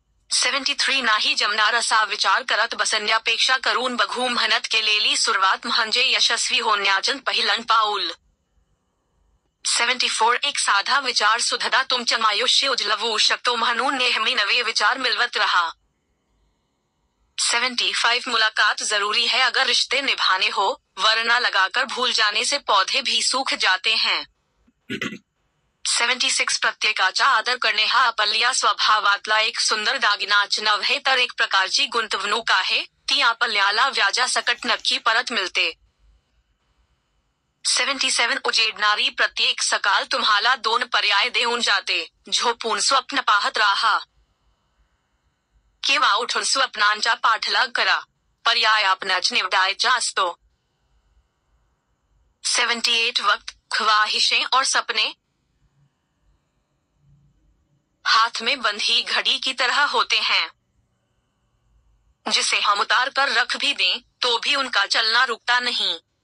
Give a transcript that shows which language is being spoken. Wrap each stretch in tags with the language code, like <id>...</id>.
<mr>73 नाही जमणार असा विचार करत बसण्यापेक्षा करून बघू म्हणत केलेली सुरुवात म्हणजे यशस्वी होण्याचं पहिलं पाऊल. 74 एक साधा विचार सुधदा तुमचं आयुष्य उजलवू शकतो म्हणून नेहमी नवे विचार मिळवत रहा.</mr> <hi>75 मुलाकात जरूरी है अगर रिश्ते निभाने हो वरना लगाकर भूल जाने से पौधे भी सूख जाते हैं.</hi> <mr>76 प्रत्येकाचा आदर करणे हा आपल्या स्वभावातला एक सुंदर दागिनाच नव्हे तर एक प्रकारची गुंतवणूक आहे. ती आपल्याला व्याजा सकट नक्की परत मिळते. 77 उजेडणारी प्रत्येक सकाळ तुम्हाला दोन पर्याय देऊन जाते. झोपून स्वप्न पाहत राहा किंवा उठून स्वप्नांचा पाठलाग करा. पर्याय आपणच निवडायचा असतो.</mr> <hi>78 वक्त ख्वाहिशे और सपने हाथ में बंधी घड़ी की तरह होते हैं. जिसे हम उतार कर रख भी दें तो भी उनका चलना रुकता नहीं.</hi>